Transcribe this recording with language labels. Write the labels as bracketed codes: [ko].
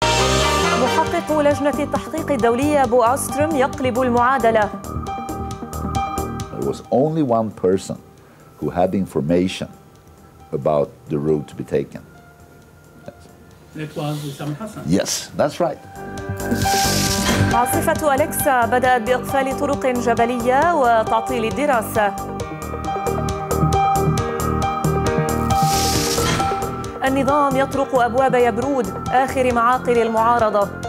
[ar] مشرف لجنة التحقيق الدولية بو أوستروم يقلب المعادلة. [en] There was only one person who had information about the route to be taken. That was Sam Hassan. Yes, that's right. [ar] عاصفة أليكسا بدأت بإقفال طرق جبلية وتعطيل الدراسة. النظام يطرق أبواب يبرود، آخر معاقل المعارضة.